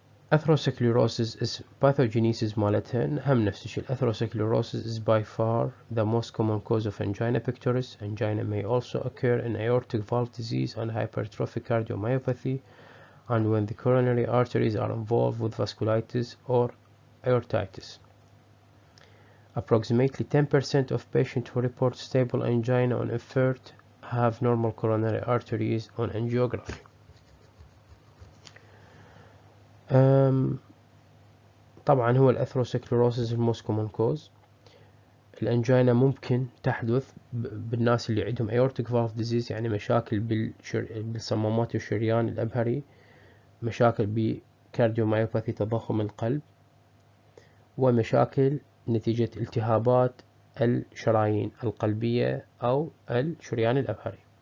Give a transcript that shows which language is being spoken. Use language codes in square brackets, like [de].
[en] Atherosclerosis is pathogenesis [ar] مالتهن هم نفس الشيء. [en] Atherosclerosis is by far the most common cause of angina pectoris. Angina may also occur in aortic valve disease and hypertrophic cardiomyopathy and when the coronary arteries are involved with vasculitis or aortitis. Approximately 10% of patients who report stable angina on effort have normal coronary arteries on angiography. [ar] طبعا هو الاثروسكلروسيس الموست كومون كوز. الانجينا ممكن تحدث بالناس اللي عندهم aortic valve disease، يعني مشاكل بالصمامات الشريان الابهري، مشاكل بكارديوميوباثي تضخم القلب، ومشاكل نتيجة التهابات الشرايين القلبية او الشريان الابهري.